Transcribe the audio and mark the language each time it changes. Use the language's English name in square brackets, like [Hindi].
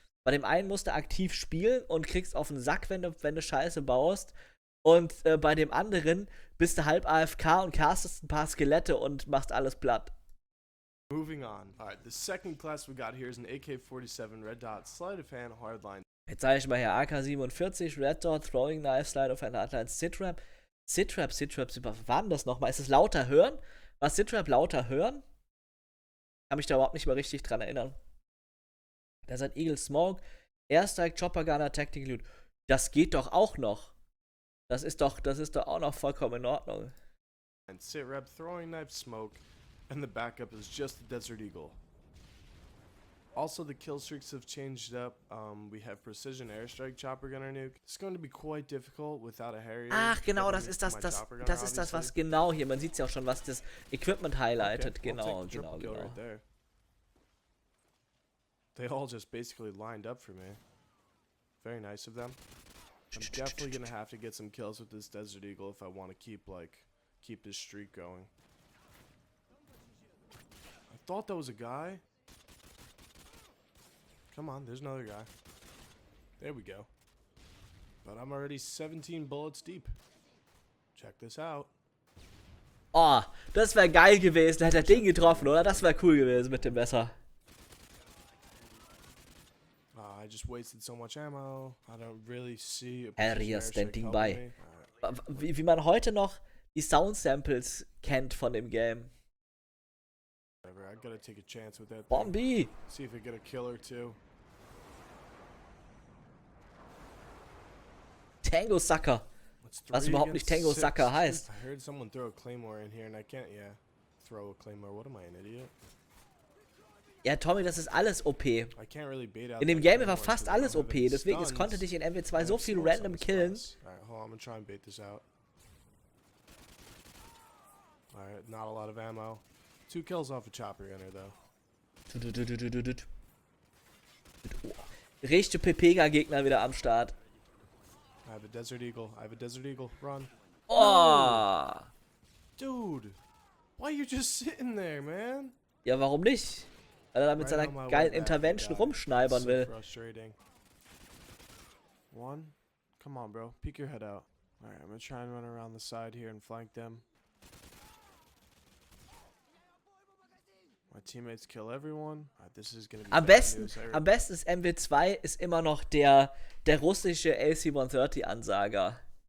[German] Bei dem einen musst du aktiv spielen und kriegst auf den Sack, wenn du Scheiße baust. Und bei dem anderen bist du halb AFK und castest ein paar Skelette und machst alles platt. [English] Moving on. Alright, the second class we got here is an AK-47 Red Dot Sleight of Hand Hardline. [German] Jetzt sage ich mal hier AK-47 Red Dot Throwing Knife Sleight of Hand Hardline Sitrap. Sitrap, was war denn das nochmal? Ist es lauter hören? War Sitrap lauter hören? Kann mich da überhaupt nicht mehr richtig dran erinnern. Das ist ein Eagle Smoke. Airstrike Chopper Gunner Tactical Loot. Das geht doch auch noch. Das ist doch auch noch vollkommen in Ordnung. [English] And Sitrap Throwing Knife Smoke. And the backup is just the Desert Eagle. Also, the killstreaks have changed up. We have Precision Airstrike Chopper Gunner Nuke. It's going to be quite difficult without a Harrier. [German] Ach, genau, das ist das, was genau hier, man sieht ja auch schon, was das Equipment highlightet. Genau. [English] Right there. They all just basically lined up for me. Very nice of them. I'm definitely going to have to get some kills with this Desert Eagle if I want to keep this streak going. Thought that was a guy. Come on, there's another guy. There we go. But I'm already 17 bullets deep. Check this out. [German] Oh, das wäre geil gewesen, hätte er den getroffen, oder? Das wäre cool gewesen mit dem Messer. [English] I just wasted so much ammo. I don't really see a Harrier standing by. [German] Wie man heute noch die Sound Samples kennt von dem Game. [English] I gotta take a chance with that. Bomb B! See if I get a kill or two. Tango Sucker! [German] Was überhaupt nicht Tango Sucker heißt. [English] I heard someone throw a Claymore in here and I can't, yeah. Throw a Claymore, what am I, an idiot? [German] Ja, Tommy, das ist alles OP. [English] I can't really beat out [German] in dem Game war fast alles OP, deswegen es konnte dich in MW2 so viel random killen. [English] Alright, hold on, I'm gonna try and bait this out. Alright, not a lot of ammo. Two kills off a chopper gunner, though. [German] Richtige PP-Gegner wieder am Start. [English] I have a Desert Eagle. Run. Oh! Dude! Why are you just sitting there, man? [German] Ja, warum nicht? Weil er da mit seiner geilen Intervention rumschneibern will. [English] Frustrating. One. Come on, bro. Peek your head out. Alright, I'm gonna try and run around the side here and flank them. My teammates kill everyone. This is gonna be [German] am besten ist MW2 ist immer noch der russische AC-130 Ansager.